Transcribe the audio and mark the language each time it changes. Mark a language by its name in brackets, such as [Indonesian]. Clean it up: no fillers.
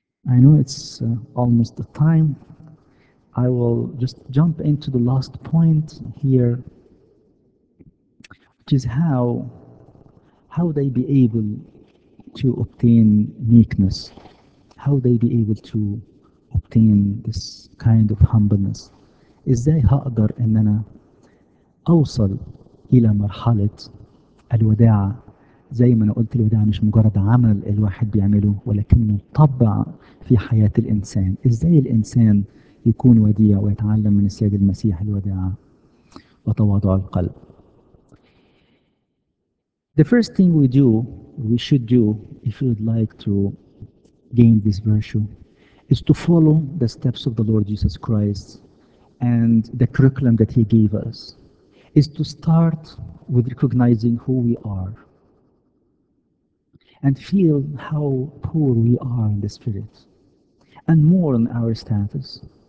[English] I know it's almost the time. I will just jump into the last point here, which is how they be able to obtain meekness, how they be able to obtain this kind of humbleness. [Arabic] إزاي هقدر إن أنا أوصل إلى مرحلة الوداعة؟ زي ما أنا قلت، الوداعة مش مجرد عمل الواحد بيعمله، ولكنه طبع في حياة الإنسان. إزاي الإنسان يكون وديع ويتعلم من السيد المسيح الوداعة وتواضع القلب؟ [English] The first thing we do, we should do, if you would like to gain this virtue, is to follow the steps of the Lord Jesus Christ and the curriculum that He gave us, is to start with recognizing who we are and feel how poor we are in the spirit, and mourn our status.